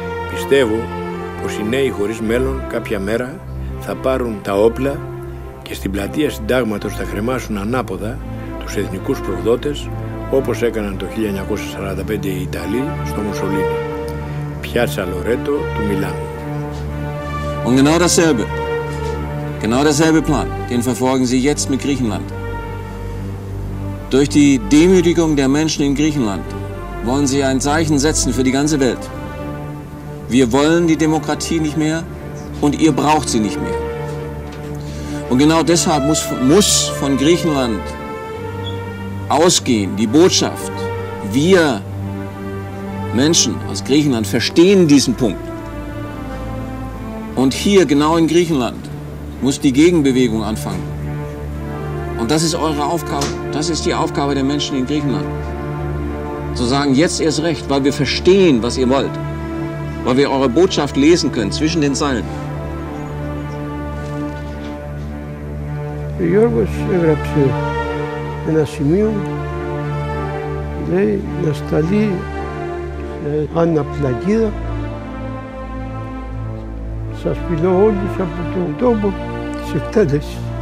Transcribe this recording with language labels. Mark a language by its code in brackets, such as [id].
[el] Πιστεύω πως οι νέοι χωρίς μέλλον κάποια μέρα θα πάρουν τα όπλα και στην πλατεία Συντάγματος θα κρεμάσουν ανάποδα τους εθνικούς προδότες όπως έκαναν το 1945 οι Ιταλοί στο Μουσολίνι. Πιάτσα Λορέτο του Μιλάνου. [de] Und genau dasselbe. Genau dasselbe Plan, den verfolgen Sie jetzt mit Griechenland. Durch die Demütigung der Menschen in Griechenland wollen sie ein Zeichen setzen für die ganze Welt. Wir wollen die Demokratie nicht mehr und ihr braucht sie nicht mehr. Und genau deshalb muss von Griechenland ausgehen die Botschaft, wir Menschen aus Griechenland verstehen diesen Punkt. Und hier, genau in Griechenland, muss die Gegenbewegung anfangen. Und das ist eure Aufgabe, das ist die Aufgabe der Menschen in Griechenland. Zu sagen, jetzt erst recht, weil wir verstehen, was ihr wollt. Weil wir eure Botschaft lesen können, zwischen den Zeilen. [el] Γιώργος έγραψε ένα σημείο, λέει, να σταλεί σε αναπλαγίδα. Σας φιλώ όλους από τον τόπο της εκτέλεσης.